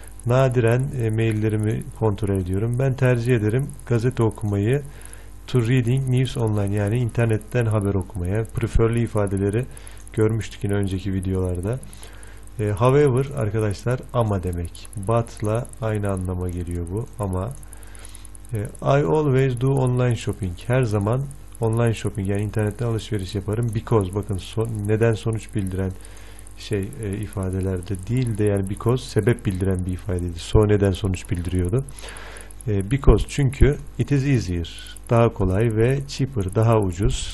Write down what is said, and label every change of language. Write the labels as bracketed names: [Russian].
[Turkish] Nadiren maillerimi kontrol ediyorum. Ben tercih ederim gazete okumayı [English] to reading news online [Turkish] yani internetten haber okumaya. Preferli ifadeleri görmüştük yine önceki videolarda. However arkadaşlar ama demek. But'la aynı anlama geliyor bu ama. [English] I always do online shopping. [Turkish] Her zaman online shopping yani internetten alışveriş yaparım. Because bakın neden sonuç bildiren şey ifadelerde değil de yani because sebep bildiren bir ifadeydi. So neden sonuç bildiriyordu. Because çünkü [English] it is easier. [Turkish] Daha kolay ve cheaper. Daha ucuz.